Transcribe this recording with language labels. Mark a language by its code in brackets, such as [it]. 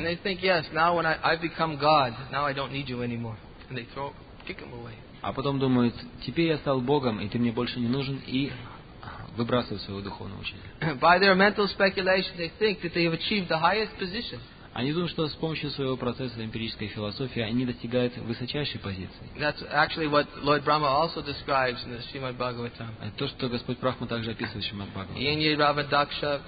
[en] And they think, yes, now when I've become God, now I don't need you anymore. And they kick him away. [ru] А потом думают, теперь я стал Богом, и ты мне больше не нужен, и выбрасывают своего духовного учителя. [en] By their mental speculation, they think that they have achieved the highest position. [ru] Они думают, что с помощью своего процесса эмпирической философии они достигают высочайшей позиции. [en] That's actually what Lord Brahma also describes in the Srimad Bhagavatam. [ru] Это то, что Господь Брахма также описывает в Шримад Бхагаватам.